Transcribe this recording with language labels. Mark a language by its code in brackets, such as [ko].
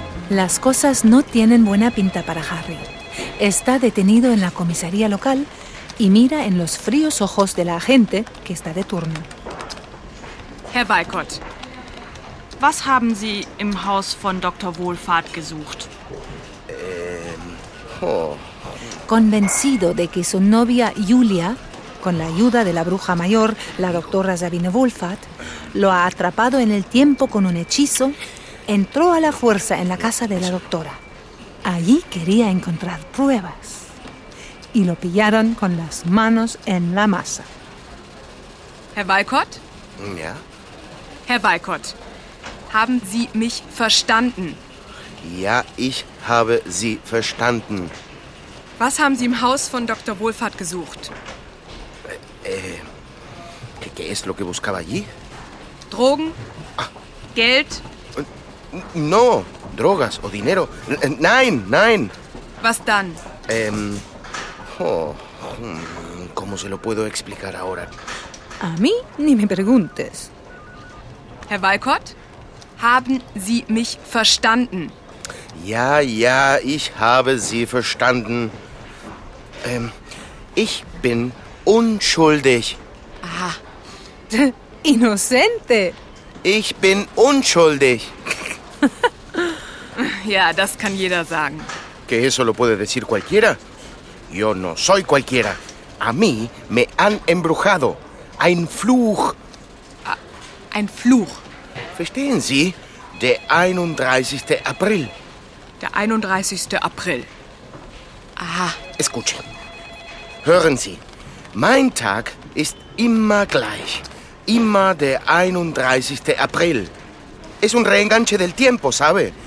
[es] Las cosas no tienen buena pinta para Harry. Está detenido en la comisaría local y mira en los fríos ojos de la agente que está de turno. [de] Herr Weikott, was haben Sie im Haus von Dr. Wohlfahrt gesucht? [es] Convencido de que su novia Julia, con la ayuda de la bruja mayor, la doctora Sabine Wohlfahrt, lo ha atrapado en el tiempo con un hechizo, entró a la fuerza en la casa de la doctora. Allí quería encontrar pruebas. Y lo pillaron con las manos en la masa. [de] Herr Weikott? Ja? Herr Weikott, haben Sie mich verstanden? Ja, ich habe Sie verstanden. Was haben Sie im Haus von Dr. Wohlfahrt gesucht? [es] ¿Qué es lo que buscaba allí? [de] Drogen? Ah. Geld? [es] No, drogas o dinero. [de] Nein, nein. Was dann? [es] ¿Cómo se lo puedo explicar ahora? A mí ni me preguntes. [de] Herr Weikott, haben Sie mich verstanden? Ja, ja, ich habe Sie verstanden. Ich bin unschuldig. Aha. [es] Inocente. [de] Ich bin unschuldig. Ja, das kann jeder sagen. [es] Que eso lo puede decir cualquiera. Yo no soy cualquiera. A mí me han embrujado. [de] Ein Fluch. Ein Fluch. Verstehen Sie? Der 31. April. Der 31. April. Aha. [es] Escuchen. [de] Hören Sie. Mein Tag ist immer gleich. Immer der 31. April. [es] Es un reenganche del tiempo, ¿sabe?